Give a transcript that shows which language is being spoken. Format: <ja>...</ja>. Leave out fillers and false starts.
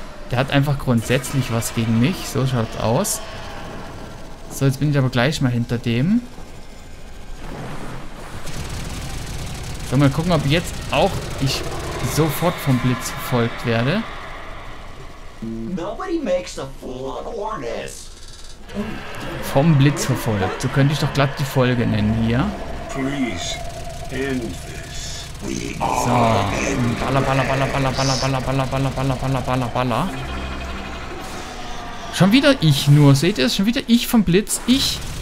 <de>Der hat einfach grundsätzlich was gegen mich. So schaut's aus. So, jetzt bin ich aber gleich mal hinter dem. So, mal gucken, ob jetzt auch ich sofort vom Blitz verfolgt werde.</de> <en>Nobody makes a fool of Hornets.</en> <de>Vom Blitz verfolgt. So könnte ich doch glatt die Folge nennen hier. So. Balla, balla, balla, balla, balla, balla, balla, balla, balla, balla, balla, balla. Schon wieder ich nur. Seht ihr es? Schon wieder ich vom Blitz. Ich.</de>